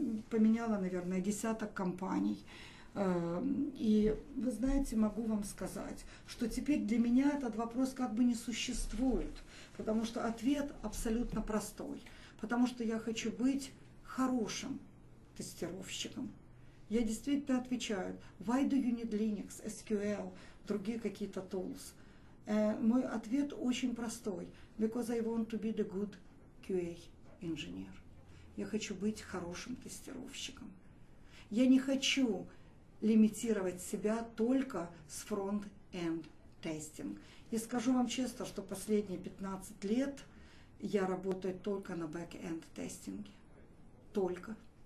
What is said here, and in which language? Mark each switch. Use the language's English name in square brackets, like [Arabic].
[Russian] Поменяла, наверное, десяток компаний. И, вы знаете, могу вам сказать, что теперь для меня этот вопрос как бы не существует, потому что ответ абсолютно простой. Потому что я хочу быть хорошим тестировщиком. Я действительно отвечаю, [English] why do you need Linux, SQL, [Russian] другие какие-то tools? Мой ответ очень простой. [English] Because I want to be the good QA engineer. [Russian] Я хочу быть хорошим тестировщиком. Я не хочу лимитировать себя только с front-end testing. И скажу вам честно, что последние 15 лет я работаю только на back-end тестинге. Только.